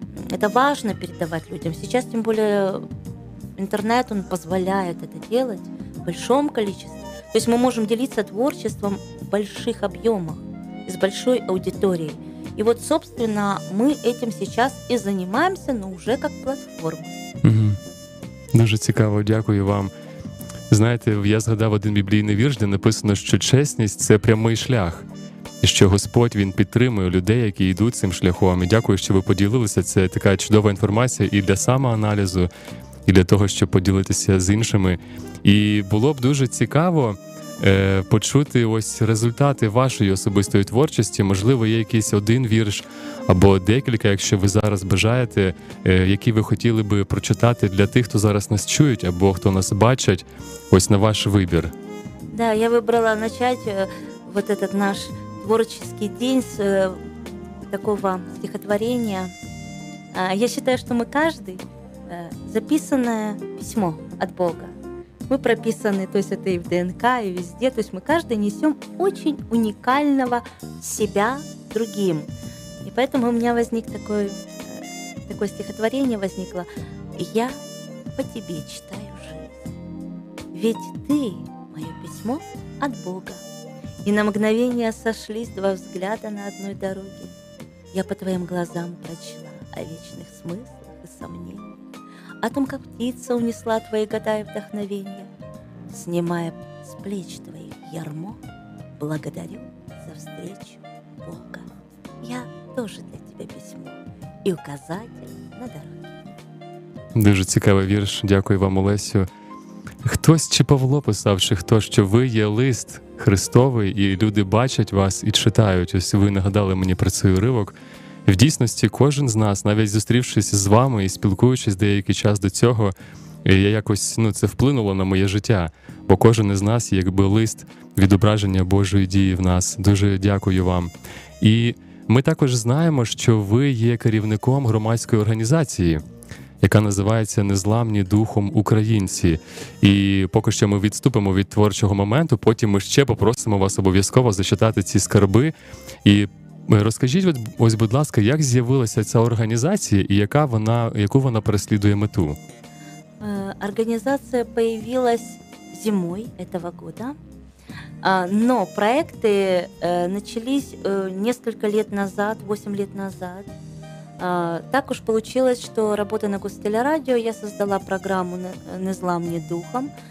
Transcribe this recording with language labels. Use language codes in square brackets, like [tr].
[ru] Это важно передавать людям. Сейчас, тем более, интернет, он позволяет это делать в большом количестве. То есть мы можем делиться творчеством в больших объемах, с большой аудиторией. И вот, собственно, мы этим сейчас и занимаемся, но уже как платформа. [uk] Дуже цікаво, дякую вам. Знаєте, я згадав один біблійний вірш, де написано, що чесність – це прямий шлях. І що Господь, Він підтримує людей, які йдуть цим шляхом. І дякую, що ви поділилися. Це така чудова інформація і для самоаналізу, і для того, щоб поділитися з іншими. І було б дуже цікаво почути ось результати вашої особистої творчості. Можливо, є якийсь один вірш або декілька, якщо ви зараз бажаєте, які ви хотіли би прочитати для тих, хто зараз нас чують або хто нас бачить, ось на ваш вибір. [ru] Да, [uk] я вибрала почати [ru] вот этот наш творческий день з такого стихотворення Я считаю, что мы каждый записанное письмо от Бога. Мы прописаны, то есть это и в ДНК, и везде. То есть мы каждый несем очень уникального себя другим. И поэтому у меня возник такое стихотворение возникло. Я по тебе читаю жизнь. Ведь ты мое письмо от Бога. И на мгновение сошлись два взгляда на одной дороге. Я по твоим глазам прочла о вечных смыслах и сомнениях, о том, как птица унесла твои года и вдохновения, снимая с плеч твоих ярмо, благодарю за встречу Бога. Я тоже для тебя письмо и указатель на дороге. [uk] Дуже цікавий вірш, дякую вам, Олесю. Хтось чи Павло писав, чи хто, що ви є лист Христовий, і люди бачать вас і читають. Ось ви нагадали мені про цей уривок. В дійсності кожен з нас, навіть зустрівшись з вами і спілкуючись деякий час до цього, я якось, ну, це вплинуло на моє життя. Бо кожен із нас є якби лист відображення Божої дії в нас. Дуже дякую вам. І ми також знаємо, що ви є керівником громадської організації, яка називається «Незламні духом українці». І поки що ми відступимо від творчого моменту, потім ми ще попросимо вас обов'язково зачитати ці скарби. І розкажіть, ось, будь ласка, як з'явилася ця організація і яку вона переслідує мету? [ru] Організація появилась зимой этого года, но проекти начались несколько лет назад, 8 лет назад. Так уж получилось, что работая на Гостеля радио, я создала программу «Незламни духом».